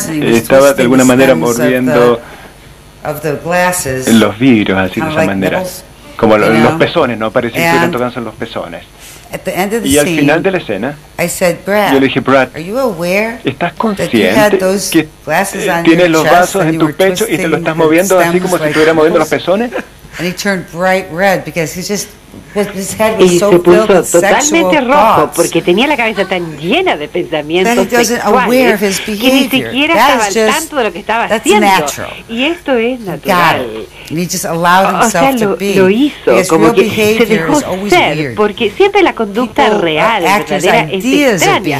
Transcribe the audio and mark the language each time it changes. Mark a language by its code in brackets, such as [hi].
[es] Estaba de alguna manera mordiendo los vidrios, así de esa manera. Como los pezones, ¿no? Parecía que le tocan los pezones. Y al final de la escena, yo le dije, Brad, ¿estás consciente que tienes los vasos en tu pecho y te lo estás moviendo así como si estuviera moviendo los pezones? [en] And he turned bright red because he just his head was so filled with sexual thoughts. [es] Y se puso totalmente rojo porque tenía la cabeza tan llena de pensamientos sexuales que ni siquiera estaba al tanto de lo que estaba haciendo. Y esto es natural. [en] He just allowed himself to be. [es] Lo hizo como que se dejó ser, porque siempre la conducta real, verdadera, es extraña.